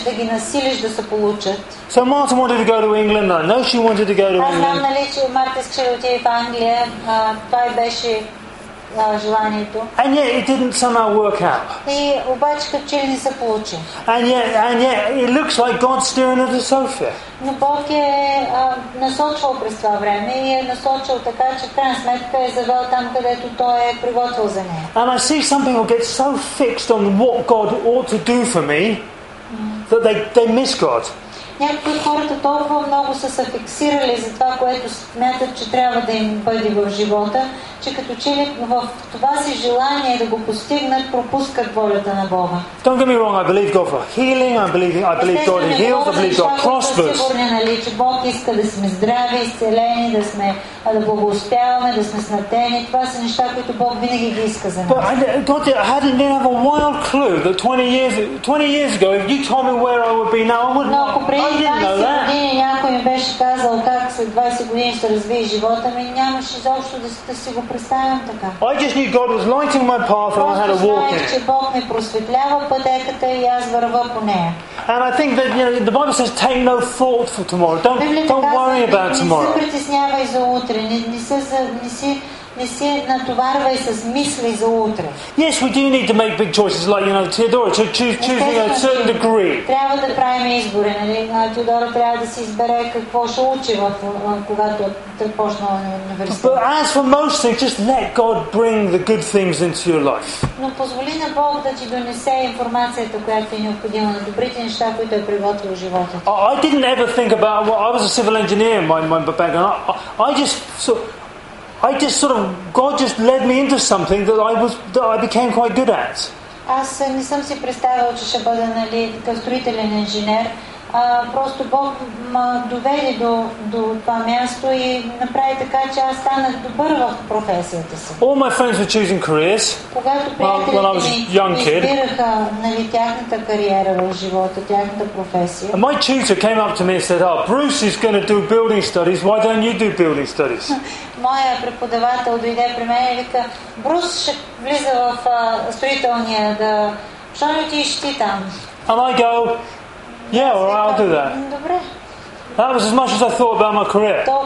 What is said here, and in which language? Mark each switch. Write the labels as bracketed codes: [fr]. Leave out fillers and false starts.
[en] So Martha wanted to go to England. I know she wanted to go to England. And yet it didn't somehow work out. And yet it looks like God's staring at a sofa. [bg] Но Бог е насочвал през това време и е насочил така, че в крайна сметка е завел там, където той е приготвил за нея. [en] And I see some people get so fixed on what God ought to do for me that they miss God. [bg] Някои хората толкова много са се фиксирали за това, което смятат, че трябва да им бъде в живота, че като че ли в това си желание да го постигнат, пропускат волята на Бога. [en] Don't get me wrong, I believe God for healing, I believe God heals, I believe God prospers. [bg] Сигурни, нали, че Бог иска да сме здрави, изцелени, да сме да благоуспяваме, да сме снатени. Това са неща, които Бог винаги ги иска за нас. [en] But I didn't have a wild clue that 20 years ago, if you told me where I would be now, I wouldn't know. [bg] Преди 20 години някой ми беше казал как след 20 години ще развие живота ми, нямаше изобщо да си го представям така. [en] I just knew God was lighting my path and I had a walk in. [bg] Че Бог ме просветлява пътеката и аз вървя по нея. [en] And I think that, you know, the Bible says take no thought for tomorrow. Don't worry about tomorrow. [bg] Не се притеснявай за утре, не се натоварвай с мисли за утре. [en] Yes, we do need to make big choices, like, you know, Teodora, to choosing a certain degree. [bg] Трябва да правим избори, нали? Теодора трябва да си избере какво ще учи, когато започна университет. [en] But as for most things, just let God bring the good things into your life. [bg] Но позволи на Бог да ти донесе информацията, която е необходима, на добрите неща, които е приготвил живота. [en] I didn't ever think about, well, I was a civil engineer in my background. I just God just led me into something that I became quite good at. [bg] Аз не съм си представил, че ще бъда, нали, строителен инженер. Просто Бог ме доведе до това място и направи така, че аз станах добър в професията си. [en] All my friends were choosing careers. [bg] Когато приятелите ми избираха, нали, тяхната кариера в живота, тяхната професия. [en] And my tutor came up to me and said, "Oh, Bruce is going to do building studies. Why don't you do building studies?" [bg] Моя преподавател дойде при мен и вика, "Брус ще влиза в строителния, да що не отидеш ти там?" [en] And I go, "Yeah, all right, I'll do that." [bg] Добре. [en] That was as much as I thought about my career.